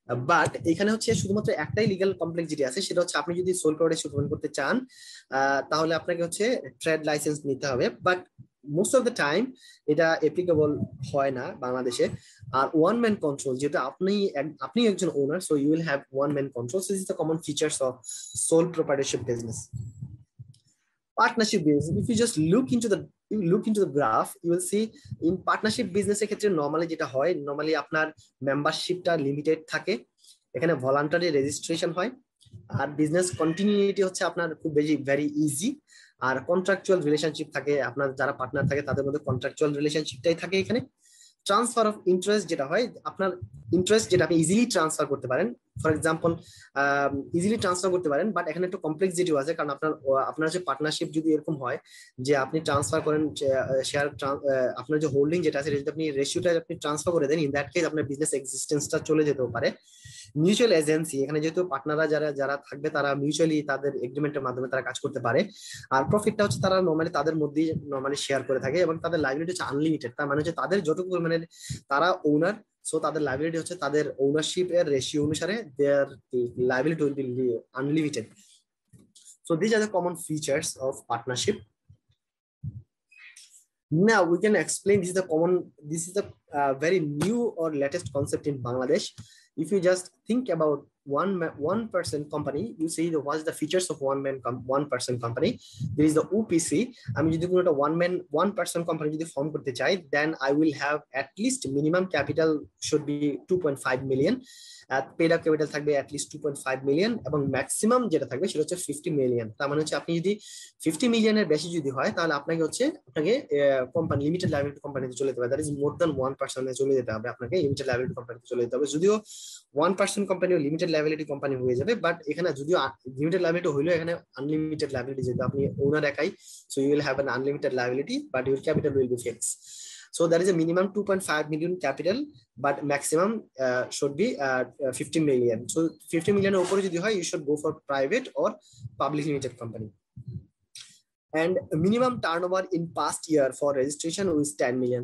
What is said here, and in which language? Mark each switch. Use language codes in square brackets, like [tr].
[bn] But এখানে হচ্ছে শুধুমাত্র একটাই লিগাল কমপ্লেক্সিটি আছে, সেটা হচ্ছে আপনি যদি সোল প্রপার্টিশিপ ফর্ম করতে চান তাহলে আপনাকে হচ্ছে ট্রেড লাইসেন্স নিতে হবে, [en] but most of the time [bn] এটা অ্যাপ্লিকেবল হয় না বাংলাদেশে। [en] আর one man control, [bn] যেহেতু আপনি একজন ওনার [en] So you will have one man control, so is the common features of sole proprietorship business. Partnership business, if you just look into the graph, you will see in partnership business ক্ষেত্রে normally যেটা হয়, normally আপনার membershipটা limited থাকে, এখানে voluntary registration হয়, আর business continuity হচ্ছে [bn] আপনার খুব বেশি [en] very easy, আর contractual relationship থাকে, আপনার যারা partner থাকে তাদের মধ্যে contractual relationshipটাই থাকে এখানে। [bn] ট্রান্সফার অফ ইন্টারেস্ট যেটা হয়, আপনার ইন্টারেস্ট যেটা আপনি ইজিলি ট্রান্সফার করতে পারেন, ফর এক্সাম্পল ইজিলি ট্রান্সফার করতে পারেন, বাট এখানে একটু কমপ্লেক্সিটিও আছে, কারণ আপনার আপনার যে পার্টনারশিপ যদি এরকম হয় যে আপনি ট্রান্সফার করেন শেয়ার, আপনার যে হোল্ডিং যেটা আছে যদি আপনি রেশিওটা আপনি ট্রান্সফার করে দেন, [en] in that case [bn] আপনার বিজনেস এক্সিস্টেন্সটা চলে যেতেও পারে। মিউচুয়াল এজেন্সি, এখানে যেহেতু পার্টনাররা যারা যারা থাকবে তারা মিউচুয়ালি তাদের এগ্রিমেন্টের মাধ্যমে তারা কাজ করতে পারে, আর প্রফিটটা হচ্ছে তারা নর্মালি তাদের মধ্যেই নর্মালি শেয়ার করে থাকে, এবং তাদের লাইবিলিটি হচ্ছে আনলিমিটেড, তার মানে হচ্ছে তাদের যতটুকু মানে তারা ওনার সো তাদের লাইবিলিটি হচ্ছে তাদের ওনারশিপ এর রেশিও অনুসারে [en] Their liability will be unlimited. So this are the common features of partnership. Now we can explain, this is a very new or latest concept in Bangladesh. If you just think about one person company, you see the what's the features of one person company. There is the OPC. I mean, if you want to one person company to form [bn] korte chai, [en] then I will have at least minimum capital should be 2.5 million. [bn] Paid up capital থাকবে at least 2.5 million, এবং maximum যেটা থাকবে সেটা হচ্ছে 50 million. তার মানে হচ্ছে আপনি যদি 50 মিলিয়নের বেশি যদি হয় তাহলে আপনাকে হচ্ছে আপনাকে কোম্পানি লিমিটেড লাইবিলিটি কোম্পানিতে চলে যেতে হবে, [en] that is more than one [bn] পার্সনে চলে যেতে হবে আপনাকে লিমিটেড লাইবিলিটি কোম্পানিতে চলে যেতে হবে। যদিও ওয়ান পার্সন কোম্পানি ও লিমিটেড লাইবিলিটি কোম্পানি হয়ে যাবে, বাট এখানে যদিও লিমিটেড লাইবিলিটি হইলো, এখানে আনলিমিটেড লাইবিলিটি, যেহেতু আপনি ওনার একাই, [en] So you will have an unlimited liability, but your capital will be fixed. So there is a minimum 2.5 million capital, but maximum should be 50 million. So 50 million [bn] upore jodi hoy, [en] you should go for private or public limited company. And minimum turnover in past year for registration is 10 million.